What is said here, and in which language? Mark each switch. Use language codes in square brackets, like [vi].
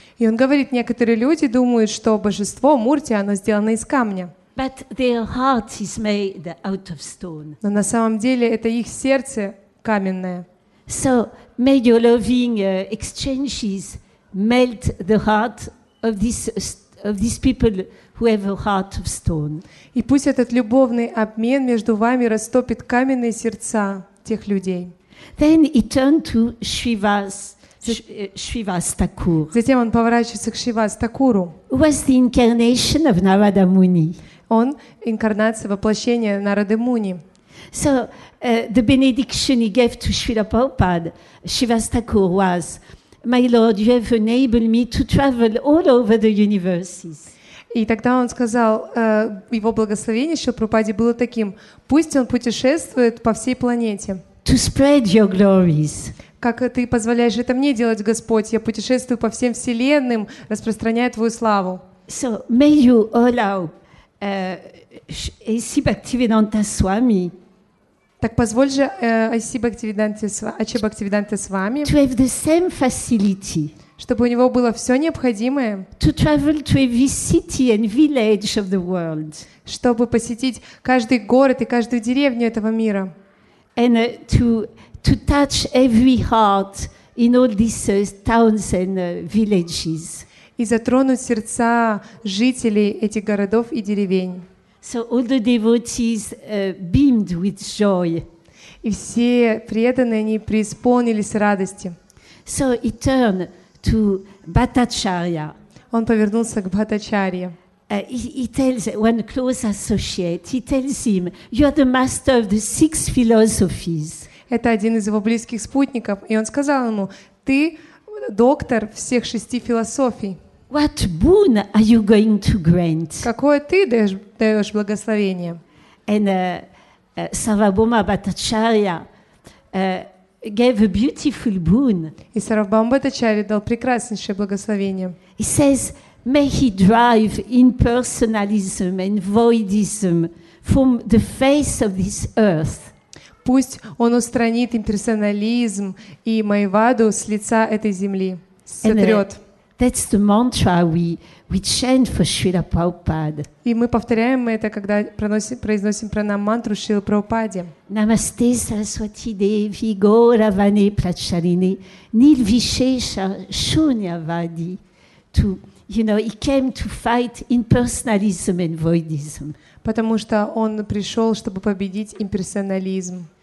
[ru] И он говорит, некоторые люди думают, что божество Мурти, оно сделано из камня. [en] But their heart is made out of stone. [ru] Но на самом деле это их сердце каменное. [en] So may your loving exchanges melt the heart of these people who have a heart of stone. [ru] И пусть этот любовный обмен между вами растопит каменные сердца тех людей. [en] Then he turned to Shrivas Thakur. [ru] Затем он поворачивается к Шривас Такуру. [en] Who was the incarnation of Narada Muni? [ru] Он инкарнация воплощения Нарады Муни. [en] So the benediction he gave to Srila Prabhupada, Shrivas Thakur, was: My Lord, you have enabled me to travel all over the universes. [ru] И тогда он сказал, его благословение Шрила Прабхупаде было таким: пусть он путешествует по всей планете. [en] To spread your glories. [ru] Как ты позволяешь это мне делать, Господь? Я путешествую по всем вселенным, распространяя твою славу. [en] So may you allow Asi Bhaktivedanta Swami. [ru] Так позволь же Аси Бхактивиданте Ачи Бхактивиданте с вами, [en] to have the same facility, [ru] чтобы у него было все необходимое, [en] to travel to every city and village of the world, [ru] чтобы посетить каждый город и каждую деревню этого мира, [en] and to touch every heart in all these towns and villages, [ru] и затронуть сердца жителей этих городов и деревень. [en] So all the devotees beamed with joy. [ru] И все преданные, они преисполнились радости. [en] So he turned to Bhattacharya. [ru] Он повернулся к Бхаттачарье. [en] He tells one close associate. He tells him, "You are the master of the six philosophies." [ru] Это один из его близких спутников, и он сказал ему: "Ты доктор всех шести философий." [en] What boon are you going to grant? [ru] Какое ты даешь благословение? [en] And Sarvabhauma Bhattacharya gave a beautiful boon. [ru] И Sarvabhauma Bhattacharya дал прекраснейшее благословение. [en] He says, "May he drive impersonalism and voidism from the face of this earth." [ru] Пусть он устранит имперсонализм и майваду с лица этой земли, сотрёт. [en] That's the mantra we chant for Srila Prabhupada. [ru] И мы повторяем это, когда произносим пранам-мантру Шрилы Прабхупаде. [sa] Намасте Сарасвати Деви Гоуравани Прачарине Нирвишеша Шуньявади. [en] To, you know, he came to fight impersonalism and voidism. [ru] Потому что он пришел, чтобы победить имперсонализм.